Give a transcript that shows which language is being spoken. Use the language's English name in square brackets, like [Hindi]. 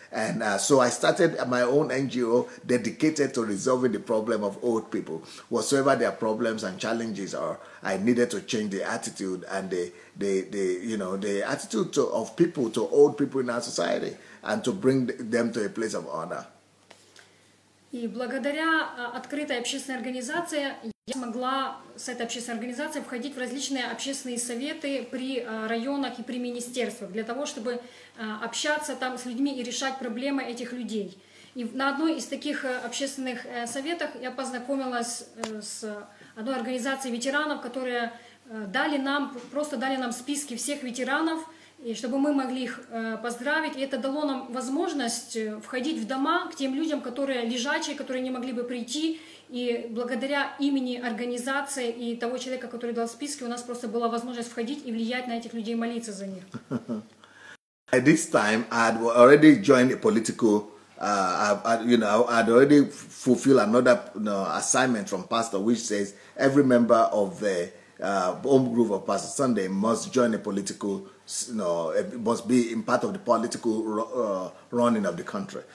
[English] And so I started my own NGO dedicated to resolving the problem of old people. Whatsoever their problems and challenges are, I needed to change the attitude and the attitude of people to old people in our society and to bring them to a place of honor. [Russian] И благодаря открытой общественной организации я смогла с этой общественной организацией входить в различные общественные советы при районах и при министерствах для того, чтобы общаться там с людьми и решать проблемы этих людей. И на одной из таких общественных советов я познакомилась с одной организацией ветеранов, которые дали нам списки всех ветеранов, и чтобы мы могли их поздравить. И это дало нам возможность входить в дома к тем людям, которые лежачие, которые не могли бы прийти. И благодаря имени организации и того человека, который дал списки, у нас просто была возможность входить и влиять на этих людей, молиться за них. [English] By this time, I had already joined a political, I'd already fulfilled another assignment from pastor, which says every member of the home group of Pastor Sunday must join a political, must be in part of the political running of the country.